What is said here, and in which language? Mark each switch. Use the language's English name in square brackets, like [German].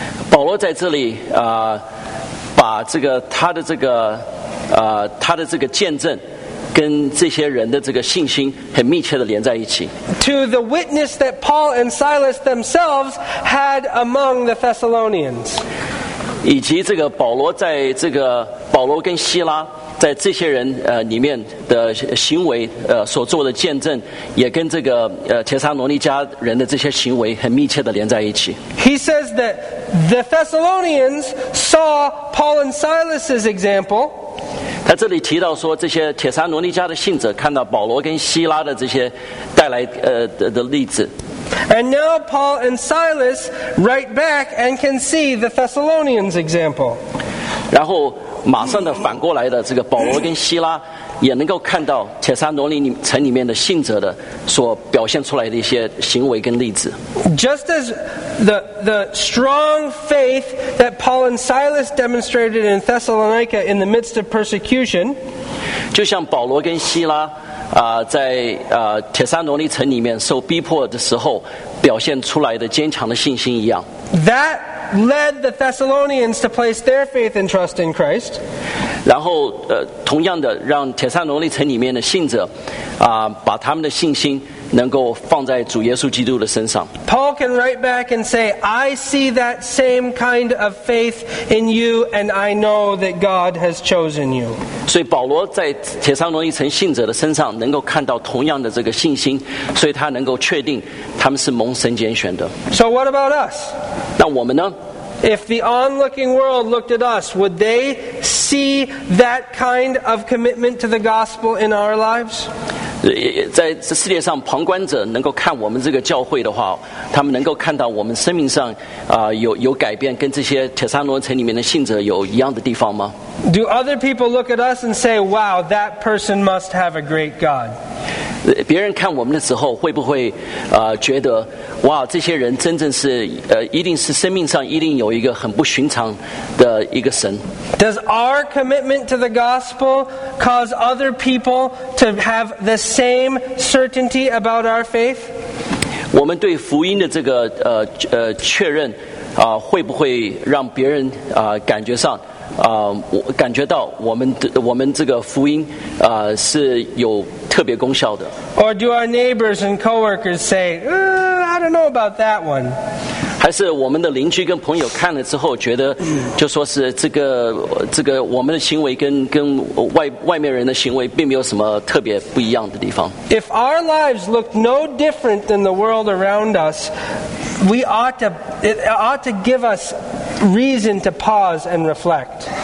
[Chinese] 保罗在这里把这个他的这个见证跟这些人的这个信心很密切的连在一起。 [English] To the witness that Paul and Silas themselves had among the Thessalonians. [Chinese] 以及这个保罗在这个保罗跟希拉在这些人里面的行为所做的见证，也跟这个帖撒罗尼迦人的这些行为很密切的连在一起。 [English] He says that the Thessalonians saw Paul and Silas's example. [Chinese] 他这里提到说，这些帖撒罗尼迦的信者看到保罗跟希拉的这些带来的例子。 [English] And now Paul and Silas write back and can see the Thessalonians' example. [Chinese] 然后马上的反过来的这个保罗跟希拉也能够看到帖撒罗尼城里面的信者的所表现出来的一些行为跟例子。 [English] Just as the strong faith that Paul and Silas demonstrated in Thessalonica in the midst of persecution. [Chinese] 就像保罗跟希拉在帖撒罗尼城里面受逼迫的时候表现出来的坚强的信心一样。 [English] That led the Thessalonians to place their faith and trust in Christ. [Chinese] 然后同样的让帖撒罗尼城里面的信者把他们的信心能够放在主耶稣基督的身上。 [English] Paul can write back and say, I see that same kind of faith in you and I know that God has chosen you. [Chinese] 所以保罗在帖撒罗尼城信者的身上能够看到同样的这个信心，所以他能够确定他们是蒙神拣选的。 [English] So what about us? [Chinese] 那我们呢？ [English] If the onlooking world looked at us, would they see that kind of commitment to the gospel in our lives? [Chinese] 在世界上旁观者能够看我们这个教会的话，他们能够看到我们生命上有改变，跟这些帖撒罗尼城里面的信者有一样的地方吗？ [English] Do other people look at us and say, "Wow, that person must have a great God"? [Chinese] 别人看我们的时候，会不会觉得哇，这些人真正是一定是生命上一定有一个很不寻常的一个神？ [English] Does our commitment to the gospel cause other people to have the same certainty about our faith? [Chinese] 我们对福音的这个确认会不会让别人感觉上我感觉到我们这个福音是有特别功效的？ [English] Or do our neighbors and coworkers say, "I don't know about that one"? [Chinese] 还是我们的邻居跟朋友看了之后觉得，就说是这个我们的行为跟外面人的行为并没有什么特别不一样的地方？ [English] If our lives look no different than the world around us, it ought to give us reason to pause and reflect.